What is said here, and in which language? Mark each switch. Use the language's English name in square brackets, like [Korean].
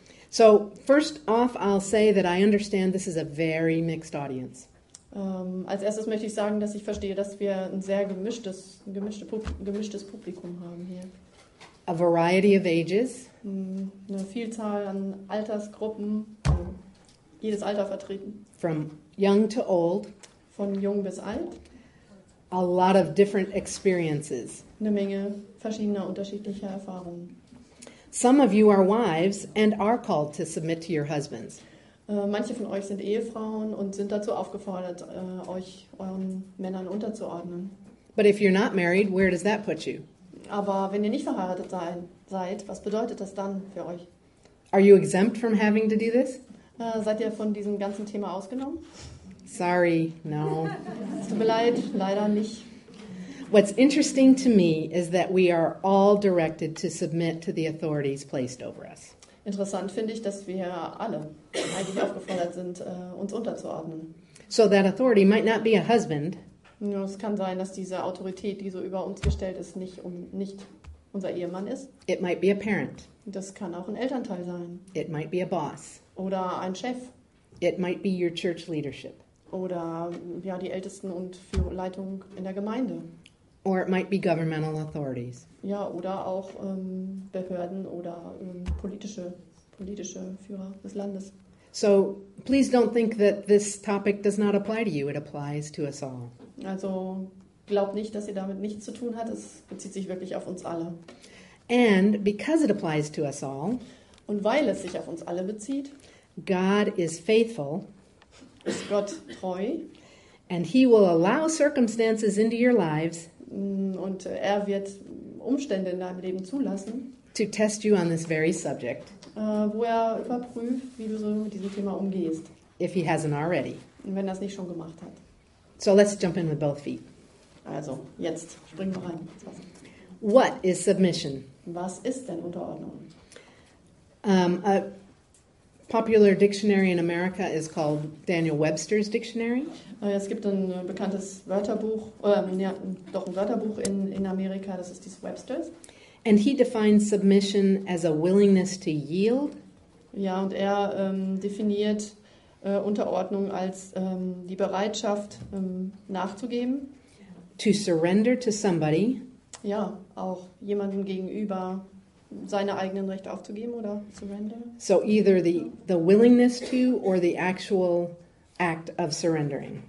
[English] So, first off, I'll say that I understand this is a very mixed audience. [German] Als erstes möchte ich sagen, dass ich verstehe, dass wir ein sehr gemischtes Publikum haben hier. [English] A variety of ages. [German] Eine Vielzahl an Altersgruppen, jedes Alter vertreten. [English] From young to old. [German] Von jung bis alt. [English] A lot of different experiences. [German] Eine Menge verschiedener, unterschiedlicher Erfahrungen. [English] Some of you are wives and are called to submit to your husbands. [German] Manche von euch sind Ehefrauen und sind dazu aufgefordert, euch euren Männern unterzuordnen. [English] But if you're not married, where does that put you? [German] Aber wenn ihr nicht verheiratet seid, was bedeutet das dann für euch? [English] Are you exempt from having to do this? [German] Seid ihr von diesem ganzen Thema ausgenommen? [English] Sorry, no. [German] Es tut mir leid, leider nicht. [English] What's interesting to me is that we are all directed to submit to the authorities placed over us. [German] Interessant finde ich, dass wir alle eigentlich aufgefordert sind, uns unterzuordnen. [English] So that authority might not be a husband. [German] Ja, es kann sein, dass diese Autorität, die so über uns gestellt ist, nicht unser Ehemann ist. [English] It might be a parent. [German] Das kann auch ein Elternteil sein. [English] It might be a boss. [German] Oder ein Chef. [English] It might be your church leadership. [German] Oder ja, die Ältesten und Leitung in der Gemeinde. [English] Or it might be governmental authorities. [German] Ja, oder auch Behörden oder politische Führer des Landes. [English] So, please don't think that this topic does not apply to you. It applies to us all. [German] Also, glaubt nicht, dass ihr damit nichts zu tun hat. Es bezieht sich wirklich auf uns alle. [English] And because it applies to us all. [German] Und weil es sich auf uns alle bezieht. [English] God is faithful. [German] Ist Gott treu. [English] And he will allow circumstances into your lives. [German] Und er wird Umstände in deinem Leben zulassen, [English] to test you on this very subject, [German] wo er überprüft, wie du so mit diesem Thema umgehst, [English] if he hasn't already, [German] wenn er es nicht schon gemacht hat. [English] So let's jump in with both feet. [German] Also jetzt springen wir rein. [English] What is submission? [German] Was ist denn Unterordnung? [English] A popular dictionary in America is called Daniel Webster's Dictionary. [German] Es gibt ein bekanntes Wörterbuch, ein Wörterbuch in Amerika, das ist dieses Webster's. [English] And he defines submission as a willingness to yield. [German] Ja, und er definiert Unterordnung als die Bereitschaft nachzugeben. [English] To surrender to somebody. [German] Ja, auch jemandem gegenüber seine eigenen Rechte aufzugeben oder surrender. [English] So either the willingness to or the actual act of surrendering.